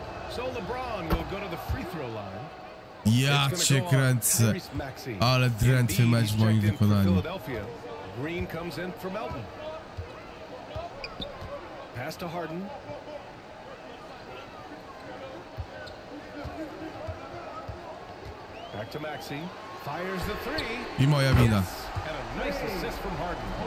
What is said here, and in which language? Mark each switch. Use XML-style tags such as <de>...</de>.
<en>So LeBron will go to the free throw line.</en> <pl>Ja cię kręcę. Ale drętwy mecz w moim wykonaniu.</pl> <en>Green comes in for Melton. Pass to Harden. Back to Maxi. Fires the three.</en> <pl>I moja wina.</pl> <en>And a nice assist from Harden.</en>